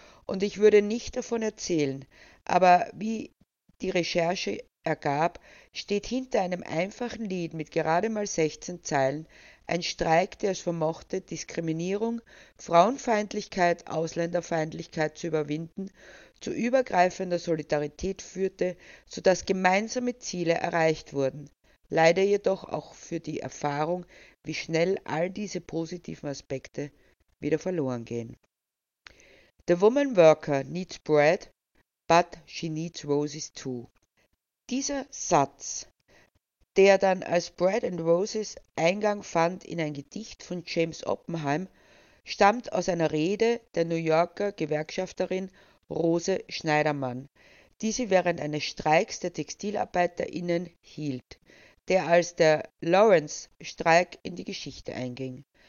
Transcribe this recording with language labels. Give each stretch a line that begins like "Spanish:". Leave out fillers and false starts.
German: Und ich würde nicht davon erzählen, aber wie die Recherche ergab, steht hinter einem einfachen Lied mit gerade mal 16 Zeilen ein Streik, der es vermochte, Diskriminierung, Frauenfeindlichkeit, Ausländerfeindlichkeit zu überwinden, zu übergreifender Solidarität führte, sodass gemeinsame Ziele erreicht wurden. Leider jedoch auch für die Erfahrung, wie schnell all diese positiven Aspekte wieder verloren gehen.
English: The woman worker needs bread, but she needs roses too.
German: Dieser Satz, der dann als Bread and Roses Eingang fand in ein Gedicht von James Oppenheim, stammt aus einer Rede der New Yorker Gewerkschafterin Rose Schneidermann, die sie während eines Streiks der TextilarbeiterInnen hielt, der als der Lawrence-Streik in die Geschichte einging.